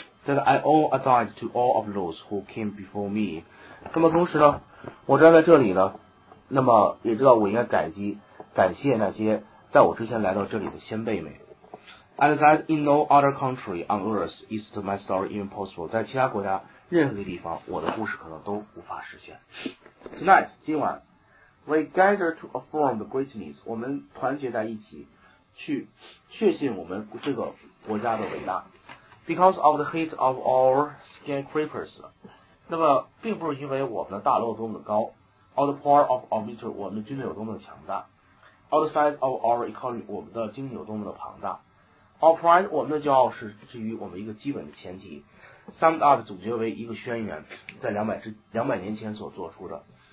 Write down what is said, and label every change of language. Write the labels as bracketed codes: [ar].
[en] That I owe a debt to all of those who came before me. [zh] 那么同时呢，我站在这里呢，那么也知道我应该感激、感谢那些在我之前来到这里的先辈们。 [en] And that in no other country on earth is my story even possible. [zh] 在其他国家任何一个地方，我的故事可能都无法实现。 [en] Tonight, [zh] 今晚 [en] ，we gather to affirm the greatness. [zh] 我们团结在一起，去确信我们这个国家的伟大。 [en] Because of the height of our skyscrapers, [zh] 那么并不是因为我们的大楼多么的高 ， [en] or the power of our military, [zh] 我们的军队有多么的强大 ， [en] or the size of our economy, [zh] 我们的经济有多么的庞大 ， [en] our pride, [zh] 我们的骄傲是基于我们一个基本的前提 ， [en] summed up [zh] 总结为一个宣言，在200年前所做出的。